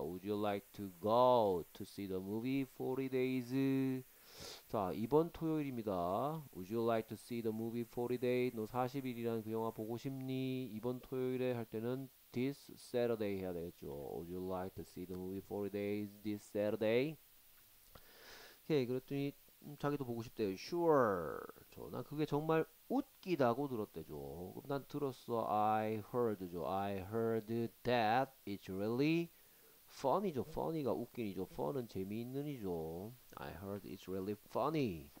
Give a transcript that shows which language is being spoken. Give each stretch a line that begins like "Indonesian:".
English: Would you like to go to see the movie 40 days?
Korean: 자, 이번 토요일입니다.
English: Would you like to see the movie 40 days?
Korean: 너 40일이라는 그 영화 보고 싶니? 이번 토요일에 할 때는 this Saturday 해야 되겠죠.
English: Would you like to see the movie 40 days this Saturday?
Korean: 오케이, 그랬더니 자기도 보고 싶대요.
English: Sure.
Korean: 저난 그게 정말 웃기다고 들었대죠.
English: 그럼 난 들었어. I heard죠. I heard that it's really funny죠.
Korean: Funny가 웃긴이죠. Fun은 재미있는이죠. I heard it's really funny.